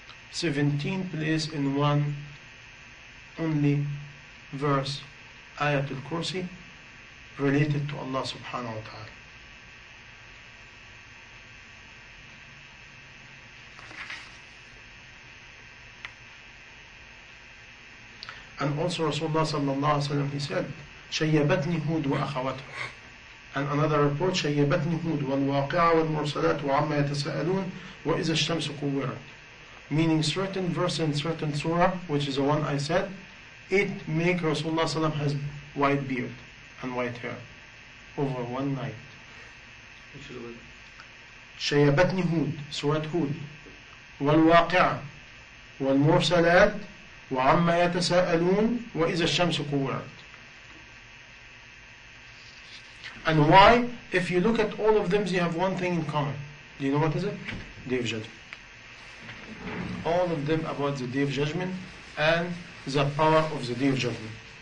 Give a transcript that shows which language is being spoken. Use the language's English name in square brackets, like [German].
[English] 17 places in one only verse, Ayat al-Kursi, related to Allah subhanahu wa ta'ala. And also Rasulullah sallallahu alayhi wa sallam, he said, [Arabic] شَيَّبَتْنِ هُود وَأَخَوَتْهُ. [English] And another report, [Arabic] شَيَّبَتْنِ هُود وَالْوَاقِعَ وَالْمُرْسَلَاتُ وَعَمَّا يَتَسَأَلُونَ وَإِذَا الشَّمْسُ كُوِّرَتْ. [English] Meaning certain verse and certain surah, which is the one I said, it make Rasulullah sallallahu alayhi wa sallam has white beard and white hair over one night. [Arabic] شَيَّبَتْنِ هُود, Surah Hud, وَالْوَاقِعَ وَالْمُرْسَلَاتُ وَعَمَّا يَتَسَأَلُونَ وَإِذَا الشَّمْسُ كُوِّرَتْ. [English] And why? If you look at all of them, they have one thing in common. Do you know what is it? Day of Judgment. All of them about the Day of Judgment and the power of the Day of Judgment.